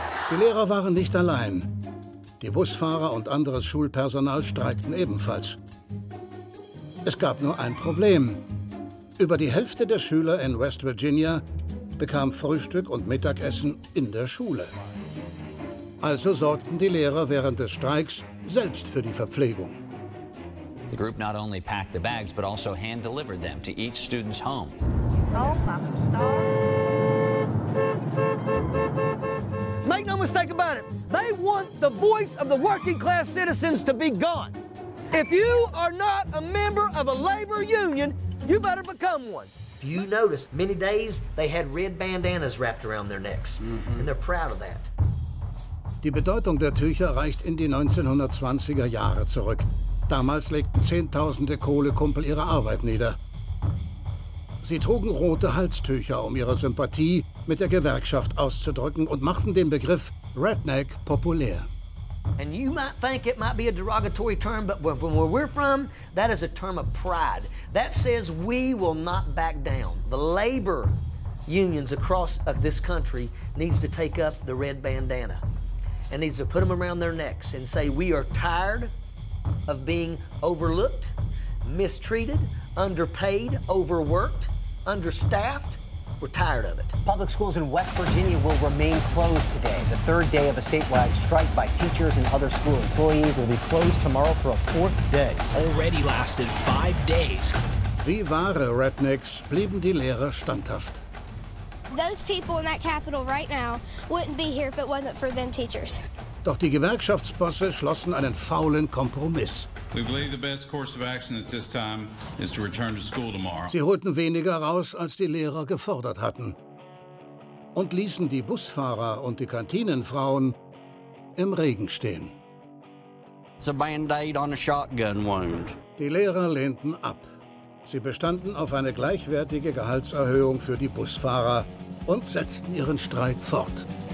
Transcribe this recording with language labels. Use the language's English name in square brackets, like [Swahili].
[German] Die Lehrer waren nicht allein. Die Busfahrer und anderes Schulpersonal streikten ebenfalls. Es gab nur ein Problem. Über die Hälfte der Schüler in West Virginia bekam Frühstück und Mittagessen in der Schule. Also sorgten die Lehrer während des Streiks selbst für die Verpflegung. [English] The group not only packed the bags, but also hand delivered them to each student's home. Make no mistake about it, they want the voice of the working class citizens to be gone. If you are not a member of a labor union, you better become one. If you notice, many days they had red bandanas wrapped around their necks, and they're proud of that. [German] Die Bedeutung der Tücher reicht in die 1920er Jahre zurück. Damals legten zehntausende Kohlekumpel ihre Arbeit nieder. Sie trugen rote Halstücher, um ihre Sympathie mit der Gewerkschaft auszudrücken und machten den Begriff Redneck populär. [English] And you might think it might be a derogatory term, but from where we're from, that is a term of pride. That says we will not back down. The labor unions across this country needs to take up the red bandana and needs to put them around their necks and say we are tired of being overlooked, mistreated, underpaid, overworked, understaffed. We're tired of it. Public schools in West Virginia will remain closed today. The third day of a statewide strike by teachers and other school employees will be closed tomorrow for a fourth day. Already lasted 5 days. [German] Wie wahre Rednecks blieben die Lehrer standhaft. [English] Those people in that Capitol right now wouldn't be here if it wasn't for them teachers. [German] Doch die Gewerkschaftsbosse schlossen einen faulen Kompromiss. [English] We believe the best course of action at this time is to return to school tomorrow. [German] Sie holten weniger raus, als die Lehrer gefordert hatten. Und ließen die Busfahrer und die Kantinenfrauen im Regen stehen. [English] It's a Band-Aid on a shotgun wound. [German] Die Lehrer lehnten ab. Sie bestanden auf eine gleichwertige Gehaltserhöhung für die Busfahrer und setzten ihren Streik fort.